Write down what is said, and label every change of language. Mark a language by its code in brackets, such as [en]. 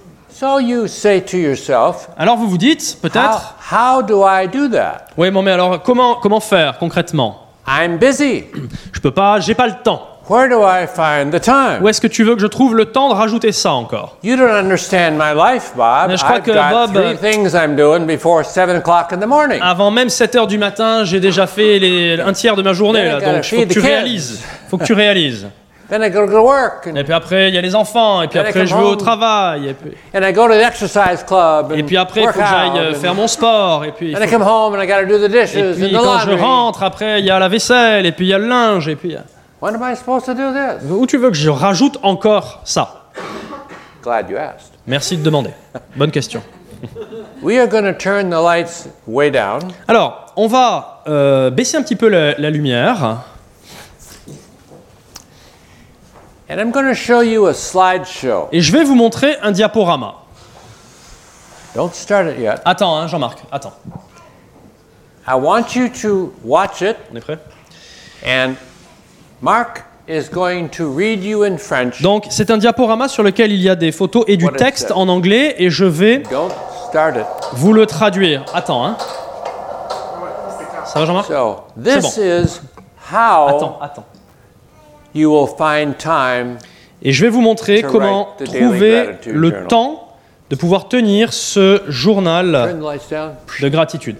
[en] So you say to yourself. [fr] Alors vous vous dites peut-être. [en] How do I do that? [fr] Oui, mais alors comment faire concrètement? [en] I'm busy. [fr] Je peux pas, j'ai pas le temps. [en] Where do I find the time? [fr] Où est-ce que tu veux que je trouve le temps de rajouter ça encore? [en] You don't understand my life, Bob. [fr] Mais je crois [en] I've [fr] que [en] got [fr] Bob, [en] three things I'm doing before 7 o'clock in the morning. [fr] Avant même 7 heures du matin, j'ai déjà fait un tiers de ma journée. Là, donc, faut que tu réalises. [en] Then I go to work. [fr] Et puis après, il y a les enfants. Et puis [en] then [fr] après, je vais au travail. Et puis, [en] and I go to the exercise club and [fr] et puis après, il faut que j'aille faire mon sport. Et puis, quand je rentre, après, il y a la vaisselle. Et puis, il y a le linge. Et puis, [en] when am I supposed to do this? [fr] Où tu veux que je rajoute encore ça? [en] Glad you asked. [fr] Merci de demander. Bonne question. [en] We are going to turn the lights way down. [fr] Alors, on va baisser un petit peu la lumière. [en] And I'm going to show you a slideshow. [fr] Et je vais vous montrer un diaporama. [en] Don't start it yet. [fr] Attends, hein, Jean-Marc, attends. [en] I want you to watch it. [fr] On est prêt? [en] And Mark is going to read you in French. [fr] Donc, c'est un diaporama sur lequel il y a des photos et du texte en anglais et je vais [en] Don't start it. [fr] Vous le traduire. Attends, hein. Ça va, Jean-Marc? [en] So, this [fr] c'est bon. [en] Is how [fr] attends, attends. [en] You will find time [fr] et je vais vous montrer comment trouver le temps de pouvoir tenir ce journal de gratitude.